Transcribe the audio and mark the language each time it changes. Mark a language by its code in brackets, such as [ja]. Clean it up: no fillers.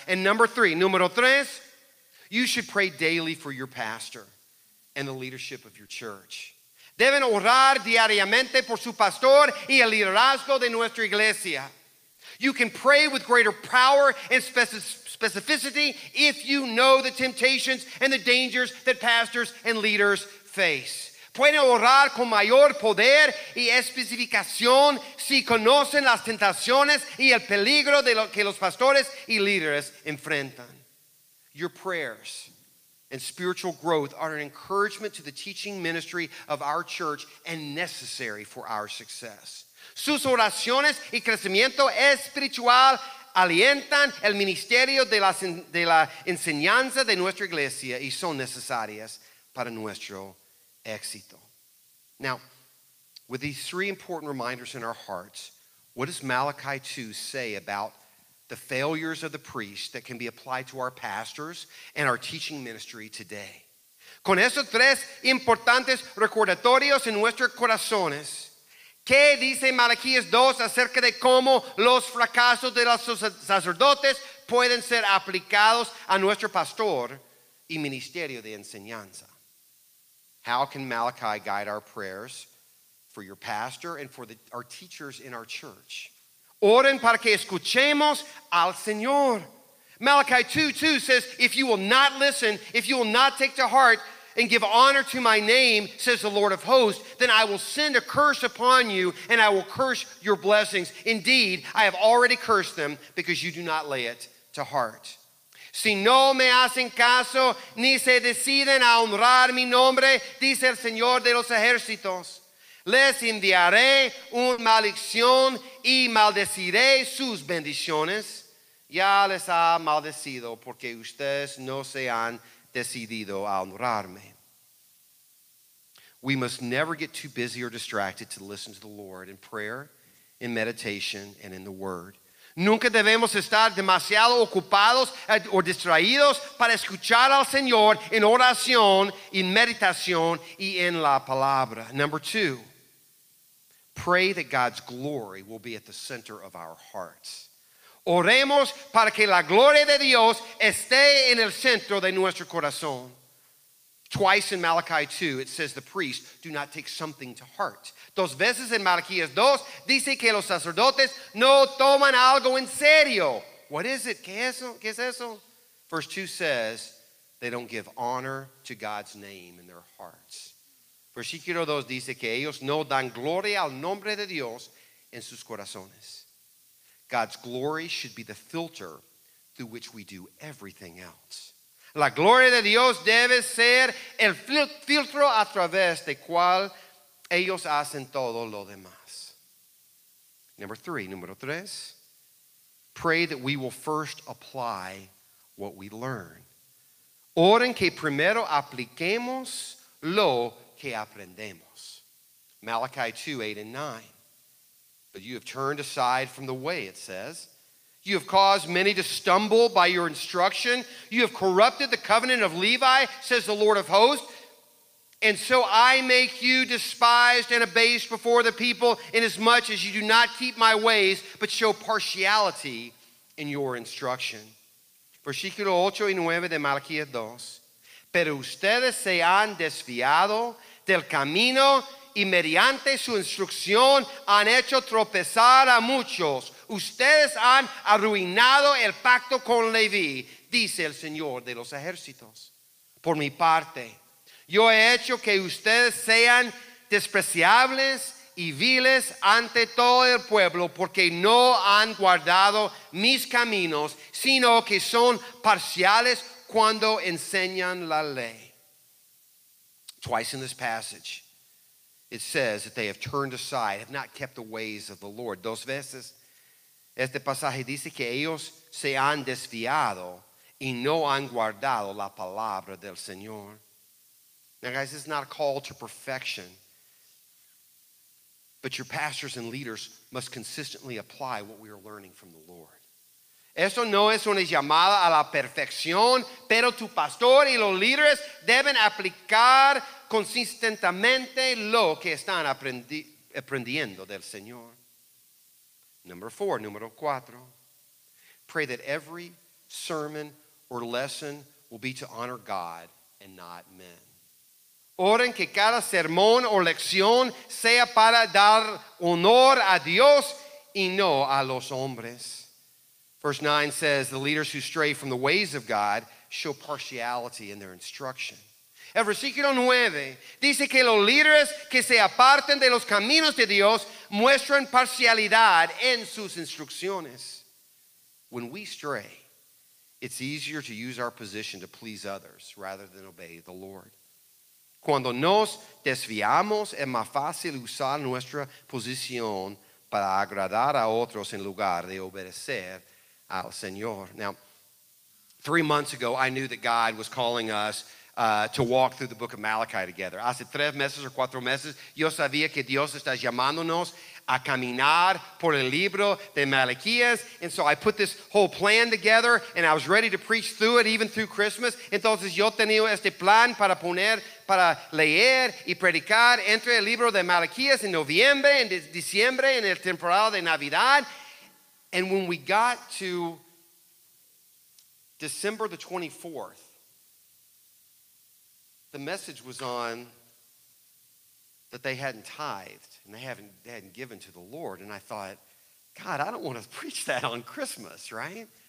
[en] And number three, you should pray daily for your pastor and the leadership of your church. [es] Deben orar diariamente por su pastor y el liderazgo de nuestra iglesia. [en] You can pray with greater power and specificity if you know the temptations and the dangers that pastors and leaders face. [es] Pueden orar con mayor poder y especificación si conocen las tentaciones y el peligro de lo que los pastores y líderes enfrentan. [en] Your prayers and spiritual growth are an encouragement to the teaching ministry of our church and necessary for our success. [es] Sus oraciones y crecimiento espiritual alientan el ministerio de la enseñanza de nuestra iglesia y son necesarias para nuestro éxito. [en] Now, with these three important reminders in our hearts, what does Malachi 2 say about the failures of the priests that can be applied to our pastors and our teaching ministry today? [es] Con esos tres importantes recordatorios en nuestros corazones, ¿qué dice Malaquías 2 acerca de cómo los fracasos de los sacerdotes pueden ser aplicados a nuestro pastor y ministerio de enseñanza? [en] How can Malachi guide our prayers for your pastor and for our teachers in our church? [es] Oren para que escuchemos al Señor. [en] Malachi 2:2 says, if you will not listen, if you will not take to heart and give honor to my name, says the Lord of hosts, then I will send a curse upon you, and I will curse your blessings. Indeed, I have already cursed them, because you do not lay it to heart. [es] Si no me hacen caso, ni se deciden a honrar mi nombre, dice el Señor de los ejércitos, les enviaré una maldición, y maldeciré sus bendiciones. Ya les ha maldecido, porque ustedes no se han decidido a honrarme. [en] We must never get too busy or distracted to listen to the Lord in prayer, in meditation, and in the Word. [es] Nunca debemos estar demasiado ocupados o distraídos para escuchar al Señor en oración, en meditación, y en la palabra. [en] Number two, pray that God's glory will be at the center of our hearts. [es] Oremos para que la gloria de Dios esté en el centro de nuestro corazón. [en] Twice in Malachi 2, it says the priests do not take something to heart. [es] Dos veces en Malaquías 2, dice que los sacerdotes no toman algo en serio. [en] What is it? [es] ¿Qué es eso? [en] Verse 2 says, they don't give honor to God's name in their hearts. [es] Versículo 2 dice que ellos no dan gloria al nombre de Dios en sus corazones. [en] God's glory should be the filter through which we do everything else. [es] La gloria de Dios debe ser el filtro a través del cual ellos hacen todo lo demás. Número tres, [en] pray that we will first apply what we learn. [es] Oren que primero apliquemos lo que aprendemos. [en] Malachi 2:8-9. But you have turned aside from the way, it says. You have caused many to stumble by your instruction. You have corrupted the covenant of Levi, says the Lord of hosts. And so I make you despised and abased before the people, inasmuch as you do not keep my ways, but show partiality in your instruction. [es] Versículo 8 y 9 de Malaquías 2. Pero ustedes se han desviado del camino y mediante su instrucción han hecho tropezar a muchos. Ustedes han arruinado el pacto con Leví, dice el Señor de los ejércitos. Por mi parte, yo he hecho que ustedes sean despreciables y viles ante todo el pueblo, porque no han guardado mis caminos, sino que son parciales cuando enseñan la ley. [en] Twice in this passage, it says that they have turned aside, have not kept the ways of the Lord. [es] Dos veces, este pasaje dice que ellos se han desviado y no han guardado la palabra del Señor. [en] Now guys, it's not a call to perfection. But your pastors and leaders must consistently apply what we are learning from the Lord. [es] Esto no es una llamada a la perfección, pero tu pastor y los líderes deben aplicar consistentemente lo que están aprendiendo del Señor. Número cuatro. [en] Pray that every sermon or lesson will be to honor God and not men. [es] Oren que cada sermón o lección sea para dar honor a Dios y no a los hombres. [en] Verse 9 says, the leaders who stray from the ways of God show partiality in their instruction. [es] El versículo 9 dice que los líderes que se aparten de los caminos de Dios muestran parcialidad en sus instrucciones. [en] When we stray, it's easier to use our position to please others rather than obey the Lord. [es] Cuando nos desviamos, es más fácil usar nuestra posición para agradar a otros en lugar de obedecer al Señor. [en] Now, 3 months ago, I knew that God was calling us to walk through the book of Malachi together. [es] Hace 3 meses or 4 meses, yo sabía que Dios está llamándonos a caminar por el libro de Malaquías. [en] And so I put this whole plan together and I was ready to preach through it even through Christmas. [es] Entonces yo tenía este plan para poner, para leer y predicar entre el libro de Malaquías en noviembre, en diciembre, en el temporal de Navidad. [en] And when we got to December the 24th, the message was on that they hadn't tithed and they hadn't given to the Lord. And I thought, God, I don't want to preach that on Christmas, right?